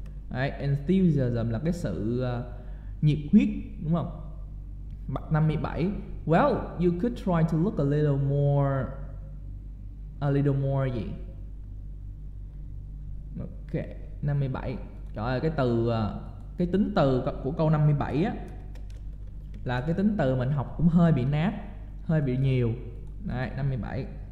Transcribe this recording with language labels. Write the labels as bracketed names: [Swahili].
[Vietnamese] Đấy, enthusiasm là cái sự nhiệt huyết, đúng không? 57. [English] Well, you could try to look a little more [Vietnamese] gì? Ok, 57. Trời ơi, cái từ, cái tính từ của câu 57 á là cái tính từ mình học cũng hơi bị nát, hơi bị nhiều. Đấy, 57.